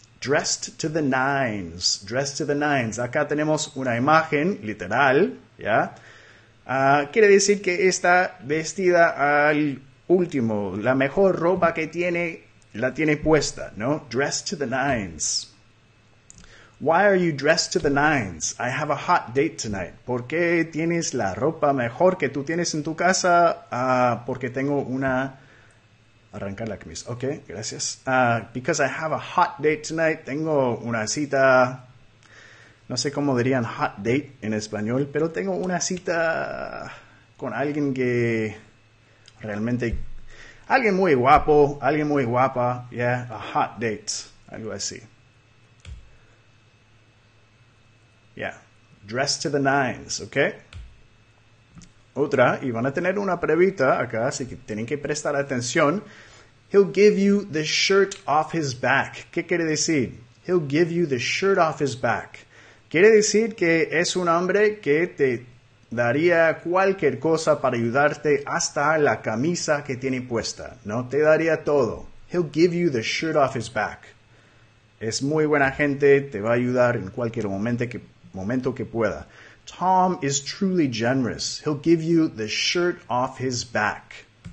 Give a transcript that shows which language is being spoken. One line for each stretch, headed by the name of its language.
English: Dressed to the nines. Dressed to the nines.
Spanish: Acá tenemos una imagen literal, ¿ya? Quiere decir que está vestida al último, la mejor ropa que tiene, la tiene puesta, ¿no?
English: Dressed to the nines. Why are you dressed to the nines? I have a hot date tonight.
Spanish: ¿Por qué tienes la ropa mejor que tú tienes en tu casa? Porque tengo una. Arrancar la camisa. Ok, gracias.
English: Because I have a hot date tonight,
Spanish: tengo una cita. No sé cómo dirían hot date en español, pero tengo una cita con alguien que realmente. Alguien muy guapo, alguien muy guapa, yeah,
English: a hot date,
Spanish: algo así.
English: Yeah, dressed to the nines,
Spanish: ok. Otra, y van a tener una previta acá, así que tienen que prestar atención.
English: He'll give you the shirt off his back.
Spanish: ¿Qué quiere decir?
English: He'll give you the shirt off his back.
Spanish: Quiere decir que es un hombre que te daría cualquier cosa para ayudarte hasta la camisa que tiene puesta. No te daría todo.
English: He'll give you the shirt off his back.
Spanish: Es muy buena gente, te va a ayudar en cualquier momento que pueda.
English: Tom is truly generous. He'll give you the shirt off his back.